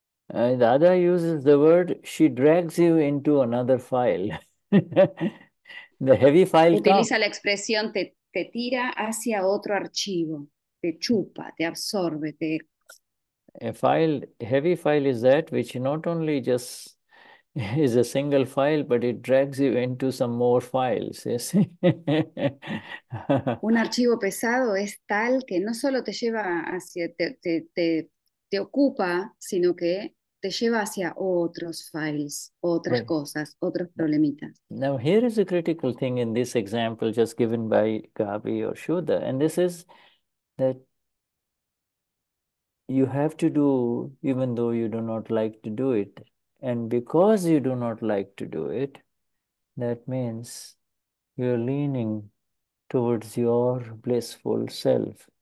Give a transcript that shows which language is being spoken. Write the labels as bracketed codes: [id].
[en] So Dada uses the word, she drags you into another file. The heavy file. [es] Utiliza la expresión, te tira hacia otro archivo, te chupa, te absorbe, te... [en] A heavy file is that which not only just is a single file, but it drags you into some more files, you see? [es] Un archivo pesado es tal que no solo te lleva hacia, te ocupa, sino que te lleva hacia otros files, otras cosas, otros problemitas. [en] Now, here is a critical thing in this example just given by Gabi or Shuddha, and this is that you have to do even though you do not like to do it. And because you do not like to do it, that means you're leaning towards your blissful self,